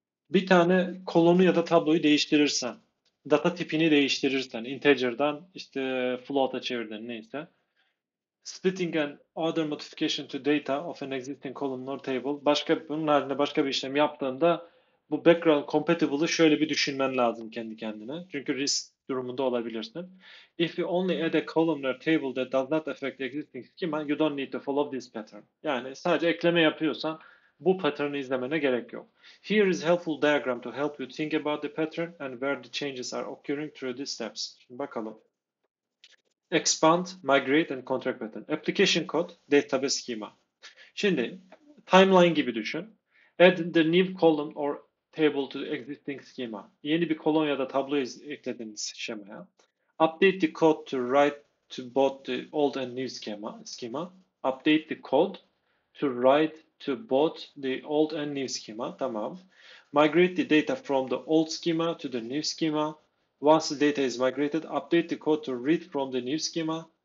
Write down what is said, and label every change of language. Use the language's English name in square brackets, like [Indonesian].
[Turkish] Bir tane kolonu ya da tabloyu değiştirirsen, data tipini değiştirirsen, integer'dan işte float'a çevirden neyse. [English] Splitting and other modification to data of an existing column or table. [Turkish] Başka bunun haline başka bir işlem yaptığında bu background compatible'ı şöyle bir düşünmen lazım kendi kendine. Çünkü risk durumunda olabilirsin. [English] If you only add a column or table that does not affect the existing schema, you don't need to follow this pattern. [Turkish] Yani sadece ekleme yapıyorsan bu pattern'ı izlemene gerek yok. [English] Here is helpful diagram to help you think about the pattern and where the changes are occurring through these steps. [Turkish] Şimdi bakalım. [English] Expand, migrate and contract pattern. Application code, database schema. [Turkish] Şimdi timeline gibi düşün. [English] Add the new column or table to existing schema. [Turkish] Yeni bir kolon ya da tablo eklediğiniz şemaya. [English] Update the code to write to both the old and new schema. Update the code to write to both the old and new schema. Tamam. Migrate the data from the old schema to the new schema. Once the data is migrated, update the code to read from the new schema.